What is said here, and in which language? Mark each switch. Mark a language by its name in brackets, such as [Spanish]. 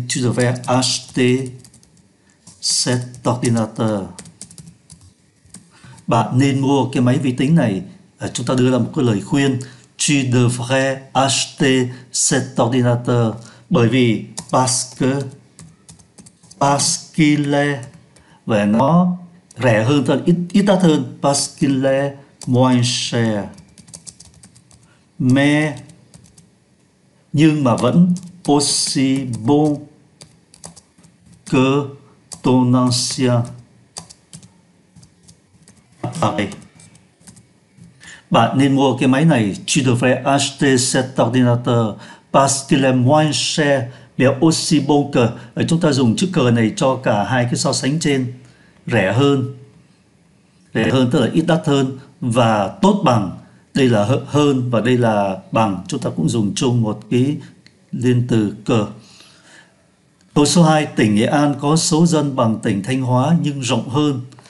[French] Tu devrais acheter cet ordinateur. [Vietnamese] Bạn nên mua cái máy vi tính này. Chúng ta đưa ra một cái lời khuyên: [French] tu devrais acheter cet ordinateur. [Vietnamese] Bởi vì, [French] parce que, parce qu'il est, [Vietnamese] và nó rẻ hơn, ít đắt hơn, [French] parce qu'il est moins cher. Mais, [Vietnamese] nhưng mà vẫn [French] aussi bon que ton ancien. [Vietnamese] Bạn nên mua cái máy này. [French] Tu devrais acheter cet ordinateur parce qu'il est moins cher mais aussi bon que. [Vietnamese] Chúng ta dùng chữ que này cho cả hai cái so sánh trên: rẻ hơn, rẻ hơn tức là ít đắt hơn, và tốt bằng. Đây là hơn và đây là bằng, chúng ta cũng dùng chung một cái liên từ que. Câu số 2: tỉnh Nghệ An có số dân bằng tỉnh Thanh Hóa nhưng rộng hơn.